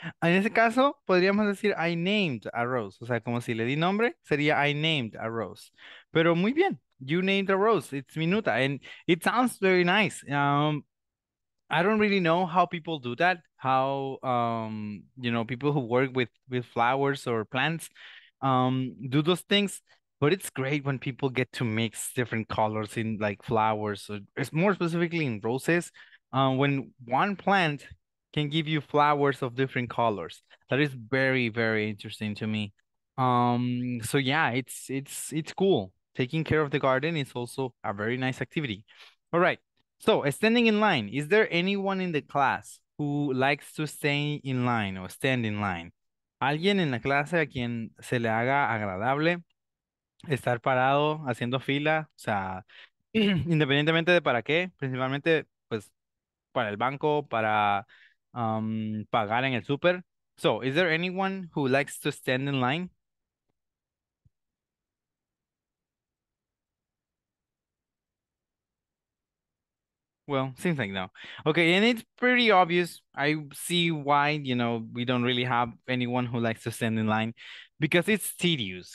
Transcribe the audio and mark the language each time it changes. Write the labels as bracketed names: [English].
[Spanish] En ese caso, podríamos decir [English] I named a rose, [Spanish] o sea, como si le di nombre, sería I named a rose. Pero muy bien, [English] you named a rose, it's Minuta, and it sounds very nice. I don't really know how people do that, how you know, people who work with flowers or plants do those things. But it's great when people get to mix different colors in like flowers, or it's more specifically in roses. When one plant can give you flowers of different colors, that is very, very interesting to me. So yeah, it's cool. Taking care of the garden is also a very nice activity. All right. So standing in line, is there anyone in the class who likes to stay in line or stand in line? [Spanish] ¿Alguien en la clase a quien se le haga agradable estar parado haciendo fila? O sea, independientemente de para qué, principalmente pues para el banco, para pagar en el súper. [English] So, is there anyone who likes to stand in line? Well, seems like no. Okay, and it's pretty obvious. I see why, you know, we don't really have anyone who likes to stand in line because it's tedious.